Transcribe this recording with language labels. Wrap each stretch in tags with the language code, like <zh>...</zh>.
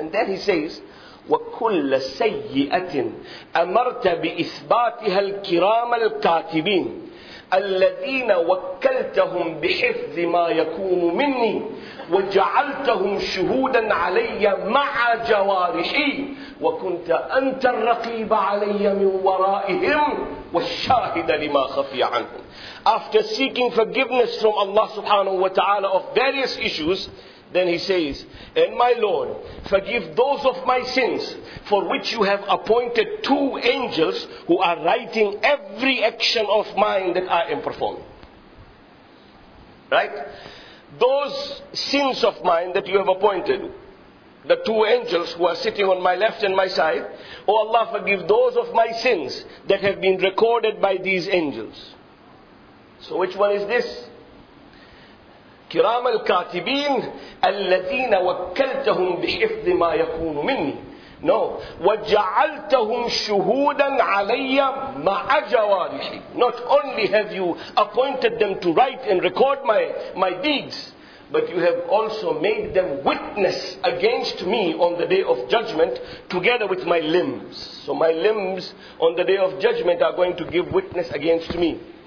<en>And then he says</en> <ar>وكل سيئة أمرت بإثباتها الكرام الكاتبين الذين وكلتهم بحفظ ما يكون مني وجعلتهم شهودا علي مع جوارحي وكنت أنت الرقيب علي من ورائهم والشاهد لما خفي عنهم.</ar> <en>After seeking forgiveness from Allah subhanahu wa ta'ala of various issues, then he says, And my Lord, forgive those of my sins for which you have appointed two angels who are writing every action of mine that I am performing. Right? Those sins of mine that you have appointed, the two angels who are sitting on my left and my side, O Allah, forgive those of my sins that have been recorded by these angels. So which one is this?</en> <ar>كرام الكاتبين الذين وكلتهم بحفظ ما يكون مني.</ar> <en>No.</en> <ar>وجعلتهم شهودا علي مع جوارحي.</ar> <en>Not only have you appointed them to write and record my deeds, but you have also made them witness against me on the day of judgment together with my limbs. So my limbs on the day of judgment are going to give witness against me.</en>